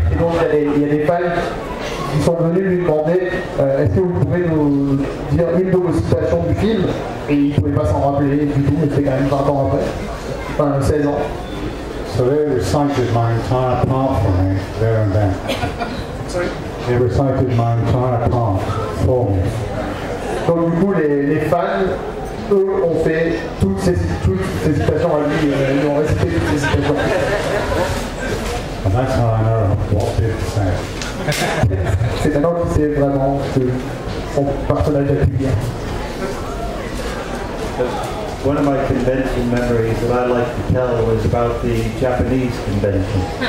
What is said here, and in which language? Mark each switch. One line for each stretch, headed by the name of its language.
French: Et donc il y a des fans qui sont venus lui demander est-ce que vous pouvez nous dire une de vos citations du film. Et il ne pouvait pas s'en rappeler du tout, mais c'était quand même 20 ans après. Enfin, 16 ans.
English: So they recited my entire part for me, there and then. Sorry? They recited my entire part for me.
French: Donc du coup, les fans, eux, ont fait toutes ces citations à lui. Ils ont récité toutes ces citations.
English: And that's how I know what did say.
French: C'est maintenant qu'il sait vraiment que son personnage a pu dire.
English: one of my convention memories that I like to tell was about the Japanese convention.